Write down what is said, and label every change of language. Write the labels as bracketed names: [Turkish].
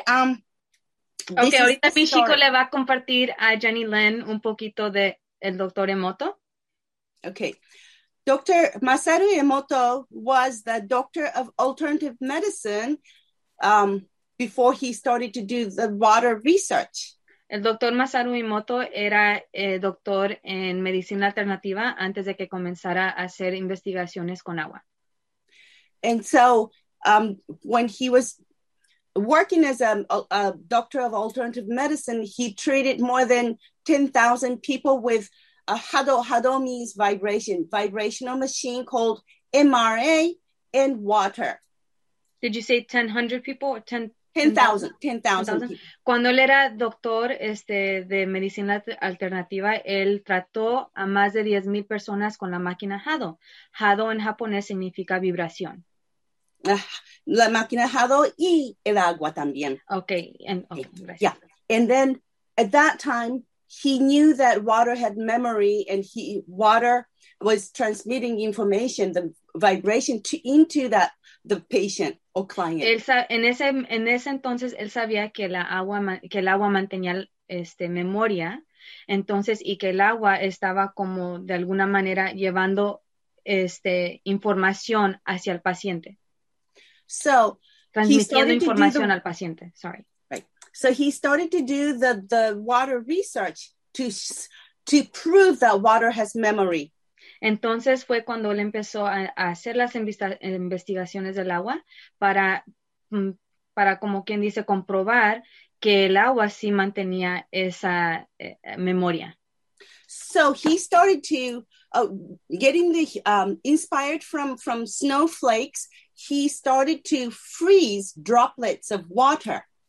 [Spanish] okay, ahorita Michiko le va a compartir a Jenny Lynn un poquito de el Dr. Emoto. [English] Okay, Dr. Masaru Emoto was the doctor of alternative medicine before he started to do the water research. [Spanish] El doctor Masaru Emoto era doctor en medicina alternativa antes de que comenzara a hacer investigaciones con agua. [English] And so when he was working as a doctor of alternative medicine, he treated more than 10,000 people with a Hadomi's vibrational machine called MRA and water. Did you say 1,000 people or 10,000. [Spanish] Cuando él era doctor de medicina alternativa, él trató a más de 10,000 personas con la máquina Hado. Hado en japonés significa vibración. La máquina Hado y el agua también. Okay. [English] And then at that time, he knew that water had memory and water was transmitting information, the vibration into the patient or client. [Spanish] En ese entonces él sabía que el agua mantenía memoria, entonces, y que el agua estaba como de alguna manera llevando información hacia el paciente. [English] So, [Spanish] transmitiendo información al paciente. [English] Sorry. Right. So he started to do the water research to prove that water has memory. [Spanish] Entonces fue cuando él empezó a hacer las investigaciones del agua para como quien dice, comprobar que el agua sí mantenía esa memoria. [English] So he started to getting the inspired from snowflakes, he started to freeze droplets of water.